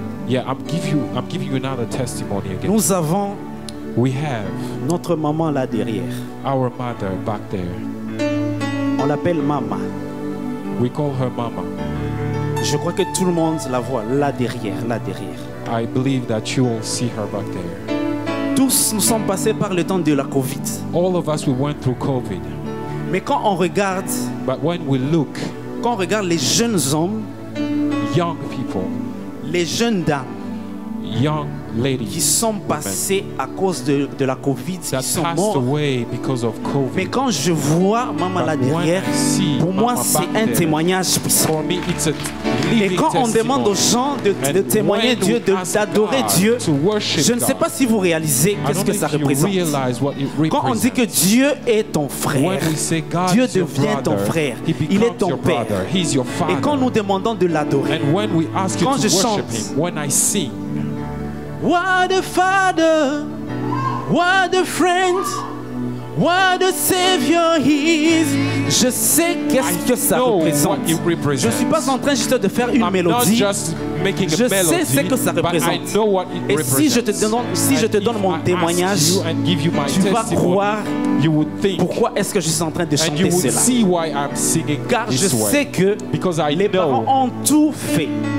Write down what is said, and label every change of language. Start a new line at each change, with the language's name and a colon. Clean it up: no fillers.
English: Yeah, I'm giving you another testimony again.
French: Nous avons,
English: we have,
French: notre maman là derrière.
English: Our mother back there.
French: On l'appelle Mama.
English: We call her Mama.
French: Je crois que tout le monde la voit là derrière, là derrière.
English: I believe that you will see her back there.
French: Tous nous sommes passés par le temps de la COVID.
English: All of us, we went through COVID.
French: Mais quand on regarde,
English: but when we look,
French: quand on regarde les jeunes hommes,
English: young people,
French: les jeunes dames,
English: young ladies,
French: qui sont passés
English: women,
French: à cause de la COVID,
English: that
French: qui sont
English: passed
French: morts,
English: away because of COVID,
French: mais quand je vois Mama là derrière, pour moi c'est un témoignage puissant.
English: For me, it's a
French: Et quand on demande aux gens de témoigner Dieu, d'adorer Dieu, je ne sais pas si vous réalisez qu'est-ce que ça représente. Quand on dit que Dieu est ton frère, Dieu devient ton frère, il est ton père. Et quand nous demandons de l'adorer, quand je chante,
English: what a father, what a friend, what a savior he is.
French: Je sais qu'est-ce que ça représente. Je ne suis pas en train juste de faire une mélodie. Je sais ce que ça représente. Et si je te donne, mon témoignage, tu vas croire pourquoi est-ce que je suis en train de chanter cela. Car je sais que les parents ont tout fait.